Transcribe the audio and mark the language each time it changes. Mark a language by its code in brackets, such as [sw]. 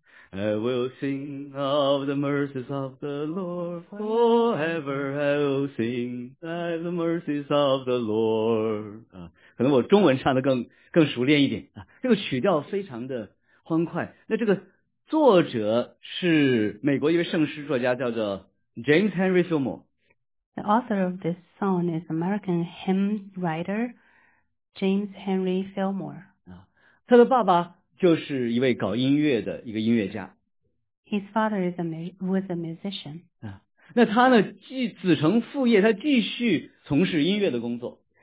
[en] I will sing of the mercies of the Lord forever. I will sing of the mercies of the Lord. [zh] 可能我中文唱的更熟练一点这个曲调非常的欢快。那这个作者是美国一位圣诗作家，叫做 James Henry Fillmore. [en] The author of this song is American hymn writer. James Henry Fillmore. [zh] 他的爸爸就是一位搞音乐的一个音乐家。 [en] His father was a musician. [zh] 那他呢，继子承父业，他继续从事音乐的工作。